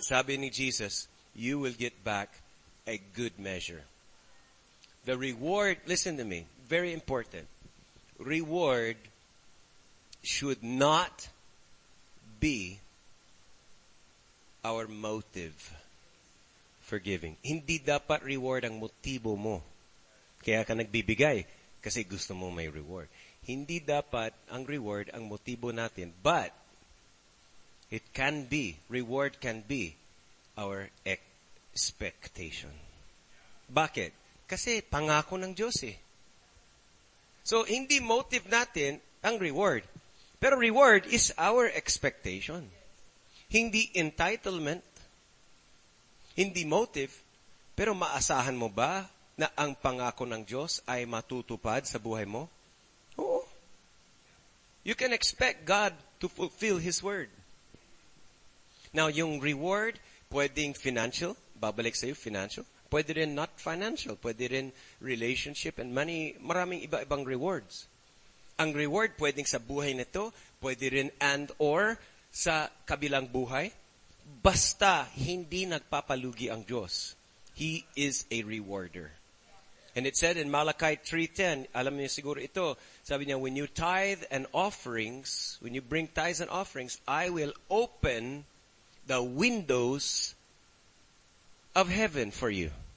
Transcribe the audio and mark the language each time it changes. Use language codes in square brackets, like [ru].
[tl] Sabi ni Jesus, [en] you will get back a good measure. The reward, listen to me, very important. Reward should not be our motive for giving. [tl] Hindi dapat reward ang motibo mo. Kaya ka nagbibigay kasi gusto mo may reward. Hindi dapat ang reward ang motibo natin. [en] But it can be, reward can be our expectation. [tl] Bakit? Kasi pangako ng Diyos eh. So, hindi motive natin ang reward. [en] Pero reward is our expectation. [tl] Hindi entitlement, hindi motive, pero maasahan mo ba na ang pangako ng Diyos ay matutupad sa buhay mo? Oo. [en] You can expect God to fulfill His word. Now, yung reward, pwedeng financial, [tl] babalik sa'yo [en] financial, [tl] Pwede rin [en] not financial. [tl] Pwede rin relationship and money. Maraming iba-ibang rewards. Ang reward pwedeng sa buhay nito, pwede rin and or sa kabilang buhay. Basta hindi nagpapalugi ang Diyos. [en] He is a rewarder. And it said in Malachi 3:10, [tl] alam niyo siguro ito, sabi niya, [en] when you tithe and offerings, when you bring tithes and offerings, I will open the windows of heaven for you.